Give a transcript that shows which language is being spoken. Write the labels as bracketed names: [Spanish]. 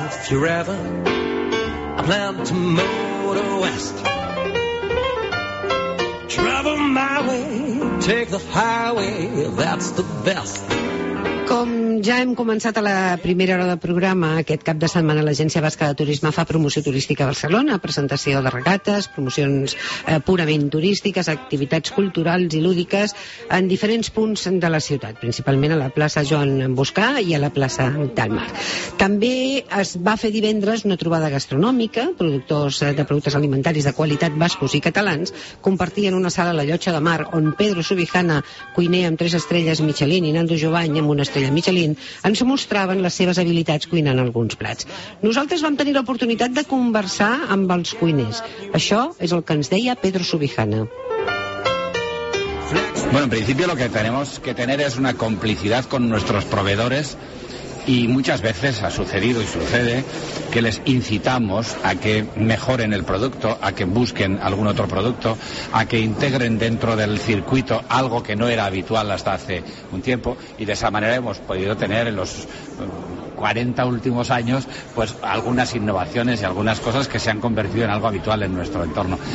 [English] you're ever a plan to motor west, travel my way, take the highway, that's the best. [Catalan] Com ja hem començat a la primera hora del programa, aquest cap de setmana l'Agència Basca de Turisme fa promoció turística a Barcelona, presentació de regates, promocions purament turístiques, activitats culturals i lúdiques en diferents punts de la ciutat, principalment a la plaça Joan Boscà i a la plaça del Mar. També es va fer divendres una trobada gastronòmica, productors de productes alimentaris de qualitat bascos i catalans compartien una sala a la Llotja de Mar, on Pedro Subijana, cuiner amb 3 estrelles Michelin, i Nando Jovany amb una estrella Michelin, ens mostraven les seves habilitats cuinant alguns plats. Nosaltres vam tenir l'oportunitat de conversar amb els cuiners. Això és el que ens deia Pedro Subijana. [Spanish] Bueno, en principio lo que tenemos que tener es una complicidad con nuestros proveedores, y muchas veces ha sucedido y sucede que les incitamos a que mejoren el producto, a que busquen algún otro producto, a que integren dentro del circuito algo que no era habitual hasta hace un tiempo, y de esa manera hemos podido tener en los 40 últimos años pues algunas innovaciones y algunas cosas que se han convertido en algo habitual en nuestro entorno.